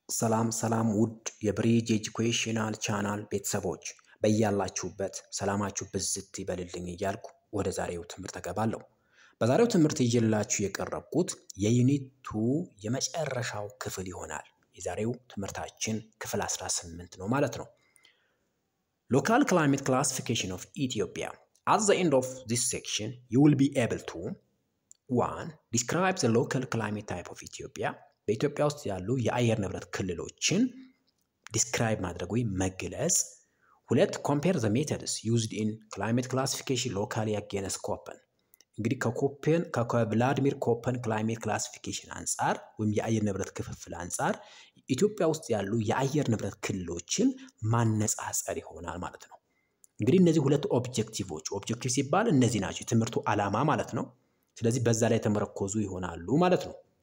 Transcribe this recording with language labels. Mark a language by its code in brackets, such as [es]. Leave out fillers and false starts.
[am] ሰላም ሰላም ውድ የብሪጅ ኤጁኬሽናል ቻናል ቤተሰቦች በእያላችሁበት ሰላማችሁ ብዝት ይበልልኝ እያልኩ ወደ ዛሬው ትምህርት ተገባለሁ። በዛሬው ትምህርት ይዤላችሁ የቀረብኩት የዩኒት 2 የመጨረሻው ክፍል ይሆናል። የዛሬው ትምህርታችን ክፍል 18 ነው ማለት ነው። [en] Local climate classification of Ethiopia. At the end of this section, you will be able to 1. Describe the local climate type of Ethiopia. [am] በኢትዮጵያ ውስጥ ያሉ የአየር ንብረት ክልሎችን ዲስክራይብ ማድረግ ወይ መግለጽ። ሁለት [en] compare the methods used in climate classification locally against Köppen. [am] እንግዲህ ከኮፐን ከቭላድሚር ኮፐን ክላይሜት ክላሲፊኬሽን አንጻር ወይም የአየር ንብረት ክፍፍል አንጻር ኢትዮጵያ ውስጥ ያሉ የአየር ንብረት ክልሎችን ማነጻጸር ይሆናል ማለት ነው። እንግዲህ እነዚህ ሁለት ኦብጀክቲቭዎች ኦብጀክቲቭ ሲባል እነዚህ ናቸው የትምህርቱ ዓላማ ማለት ነው። ስለዚህ በዛ ላይ ተመረኮዙ ይሆናሉ ማለት ነው።